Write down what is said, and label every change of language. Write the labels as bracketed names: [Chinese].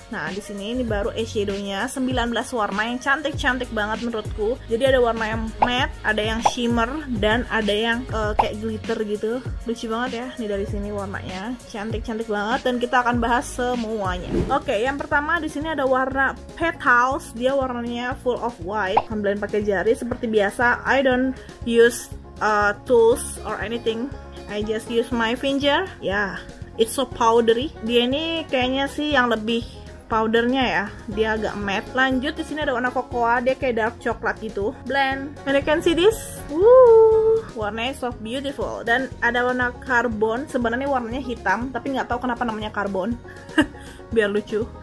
[Indonesian] Nah, di sini ini baru eyeshadow-nya 19 warna yang cantik-cantik banget menurutku. Jadi ada warna yang matte, ada yang shimmer, dan ada yang kayak glitter gitu. Lucu banget ya. Nih dari sini warnanya cantik-cantik banget dan kita akan bahas semuanya. Oke, yang pertama di sini ada warna petals. Dia warnanya full of white. Ambilin pakai jari seperti biasa. [English] I don't use tools or anything. I just use my finger. Yeah. It's so powdery. [Indonesian] Dia ini kayaknya sih yang lebih powdernya ya. Dia agak matte. Lanjut di sini ada warna cocoa, dia kayak dark coklat gitu. [English] Blend. And you can see this. [Indonesian] Warnanya [English] so beautiful [Indonesian] dan ada warna carbon. Sebenarnya warnanya hitam, tapi enggak tahu kenapa namanya carbon. Biar lucu.